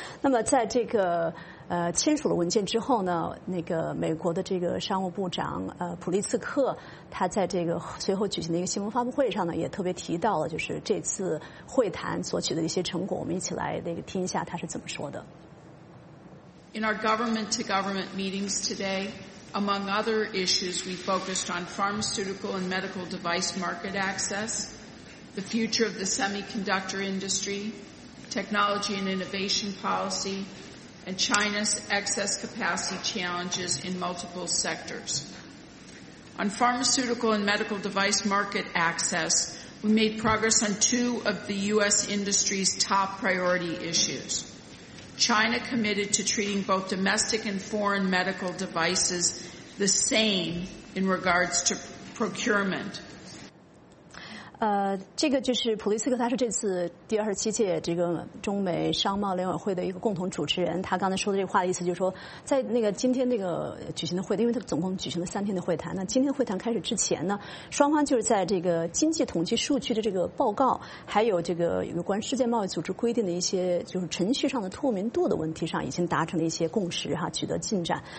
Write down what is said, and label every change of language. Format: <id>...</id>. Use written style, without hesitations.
<zh>那么在这个签署了文件之后呢，那个美国的这个商务部长普利茨克，他在这个随后举行的一个新闻发布会上呢，也特别提到了就是这次会谈所取得的一些成果，我们一起来那个听一下他是怎么说的。</zh> <en>In our government to government meetings today, among other issues, we focused on pharmaceutical and medical device market access, the future of the semiconductor industry, technology and innovation policy. And China's excess capacity challenges in multiple sectors. On pharmaceutical and medical device market access, we made progress on two of the U.S. industry's top priority issues. China committed to treating both domestic and foreign medical devices the same in regards to procurement.</en> <zh>这个就是普利茨克，他是这次第27届这个中美商贸联委会的一个共同主持人。他刚才说的这个话的意思就是说，在那个今天那个举行的会，因为他总共举行了3天的会谈。那今天会谈开始之前呢，双方就是在这个经济统计数据的这个报告，还有这个有关世界贸易组织规定的一些就是程序上的透明度的问题上，已经达成了一些共识哈，取得进展。</zh>